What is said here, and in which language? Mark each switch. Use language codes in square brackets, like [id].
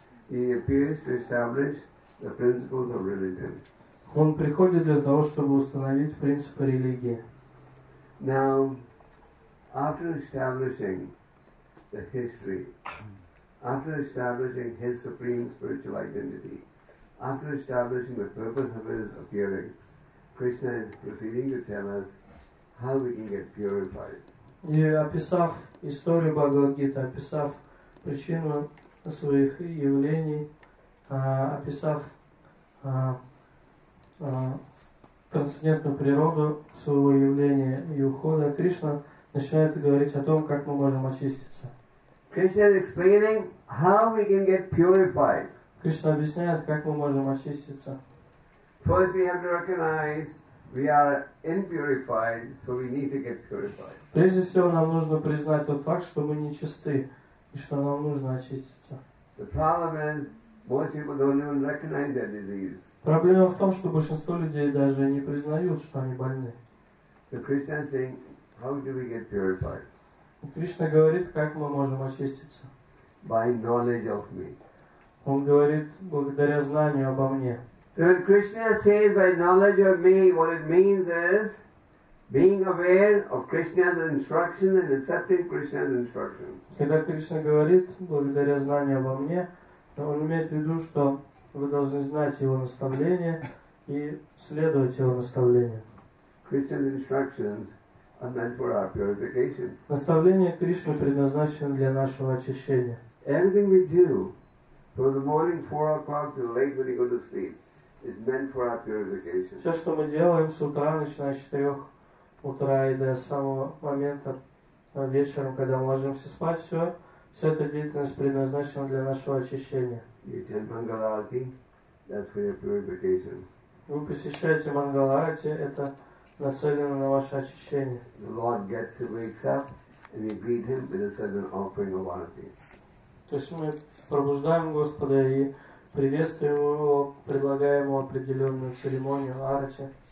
[en] He appears to establish the principles of religion. [ru] Он приходит для того, чтобы установить принципы религии. [en] Now, after establishing the history, after establishing his supreme spiritual identity, after establishing the purpose of his appearing, Krishna is proceeding to tell us how we can get purified. [ru] И описав историю Бхагавад-гиты, описав причину своих явлений, описав трансцендентную природу своего явления и ухода, Кришна начинает говорить о том, как мы можем очиститься. [en] Krishna is explaining how we can get purified. [ru] Кришна объясняет, как мы можем очиститься. [en] First we have to recognize we are impurified, so we need to get purified. [ru] Прежде всего нам нужно признать тот факт, что мы нечисты и что нам нужно очиститься. [en] The problem is most people don't even recognize their disease. [ru] Проблема в том, что большинство людей даже не признают, что они больны. [en] So Krishna is saying, how do we get purified? [ru] Кришна говорит, как мы можем очиститься. [en] By knowledge of me. [ru] Он говорит, благодаря знанию обо мне. [en] So when Krishna says by knowledge of me, what it means is being aware of Krishna's instruction and accepting Krishna's instruction. [ru] Когда Кришна говорит, благодаря знанию обо мне, то он имеет в виду, что вы должны знать его наставление и следовать его наставлению. [en] Krishna's instructions are meant for our purification. [ru] Наставление Кришны предназначено для нашего очищения. [en] Everything we do from the morning 4 o'clock to the late when we go to sleep is meant for our purification. [ru] Все, что мы делаем с утра, начиная с 4 утра и до самого момента вечером, когда мы ложимся спать, все эта деятельность предназначена для нашего очищения. [en] You attend Mangalarati, that's for your purification. [ru] Вы посещаете Мангаларати, это нацелено на ваше очищение. [en] The Lord gets it, wakes up, and we greet him with a certain offering of arati. [ru] То есть мы пробуждаем Господа и приветствуем его, предлагаем ему определенную церемонию арати.